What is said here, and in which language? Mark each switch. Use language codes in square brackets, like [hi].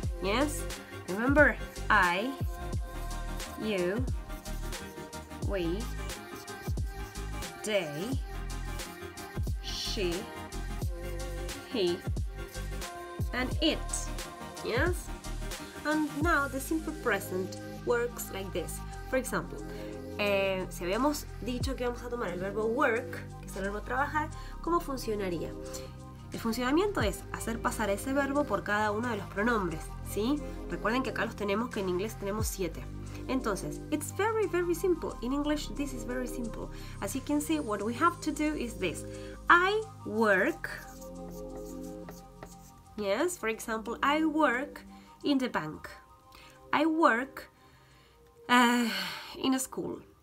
[en] Yes, remember I, you, we, they, she, he, and it. Yes? And now the simple present works like this. For example, [es] si habíamos dicho que vamos a tomar el verbo work, que es el verbo trabajar, ¿cómo funcionaría? El funcionamiento es hacer pasar ese verbo por cada uno de los pronombres, ¿sí? Recuerden que acá los tenemos, que en inglés tenemos 7. [en] Entonces, it's very, very simple. In English, this is very simple. As you can see, what we have to do is this. I work, yes, for example, I work in the bank. I work in a school.